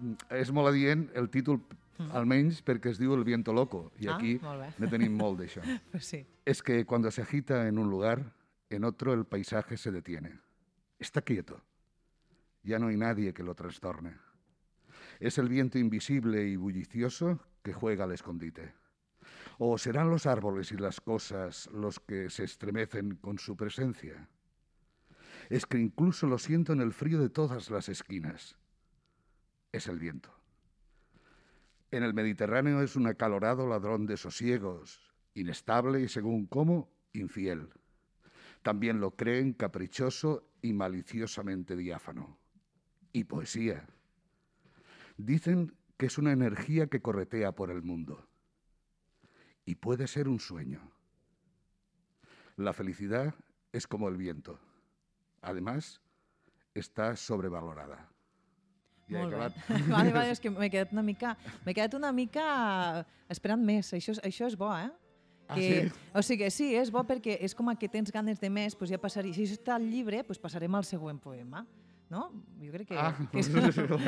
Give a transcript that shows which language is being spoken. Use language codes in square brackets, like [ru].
[ca] És molt adient el títol, almenys perquè es diu El viento loco, i ah, aquí ne tenim molt d'això. [es] Pues sí. Es que cuando se agita en un lugar, en otro el paisaje se detiene. Está quieto. Ya no hay nadie que lo trastorne. Es el viento invisible y bullicioso que juega al escondite. ¿O serán los árboles y las cosas los que se estremecen con su presencia? Es que incluso lo siento en el frío de todas las esquinas. Es el viento. En el Mediterráneo es un acalorado ladrón de sosiegos, inestable y según cómo, infiel. También lo creen caprichoso y maliciosamente diáfano. Y poesía. Dicen que es una energía que corretea por el mundo. Y puede ser un sueño. La felicidad es como el viento. Además, está sobrevalorada. [ca] Ja molt bé. Vale, és que m'he quedat una mica esperant més. Això és bo, eh? Que, ah, sí? O sigui, sí, és bo perquè és com que tens ganes de més, doncs ja passaria. Si això està al llibre, doncs passarem al següent poema. No? Jo crec que... Ah, que és, sí, bueno.